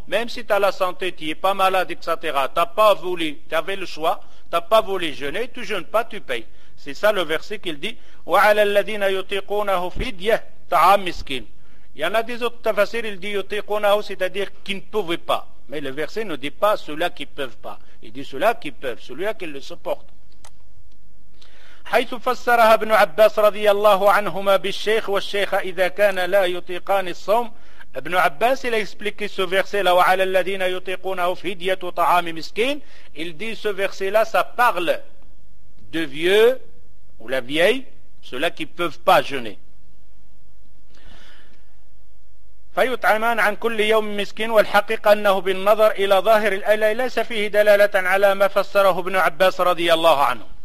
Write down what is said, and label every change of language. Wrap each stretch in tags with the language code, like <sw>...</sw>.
<fr>Même si tu as la santé, tu n'es pas malade, etc. Tu n'as pas voulu, tu avais le choix, tu n'as pas voulu jeûner, tu ne jeûnes pas, tu payes. C'est ça le verset qu'il dit.</fr> <ar>وَعَلَى الَّذِينَ يُطِيقُونَهُ فِدْيَةٌ طَعَامُ مِسْكِينٍ.</ar> <fr>Il y en a des autres tafsirs, il dit يُطِيقُونَهُ, c'est-à-dire qui ne pouvaient pas. Mais le verset ne dit pas ceux-là qui ne peuvent pas. Il dit ceux-là qui peuvent, celui-là qui le supporte.</fr> <ar>حيث فسرها ابن عباس رضي الله عنهما بالشيخ والشيخة إذا كان لا يطيقان الصوم.</ar> <fr>ابن عباس il a expliqué ce verset là,</fr> <ar>وعلى الذين يطيقونه فدية طعام مسكين.</ar> <fr>Il dit ce verset là, ça parle de vieux ou la vieille, ceux-là qui ne peuvent pas jeûner.</fr> <ar>فيطعمان عن كل يوم مسكين والحقيقة أنه بالنظر إلى ظاهر الآية ليس فيه دلالة على ما فسره ابن عباس رضي الله عنه.</ar>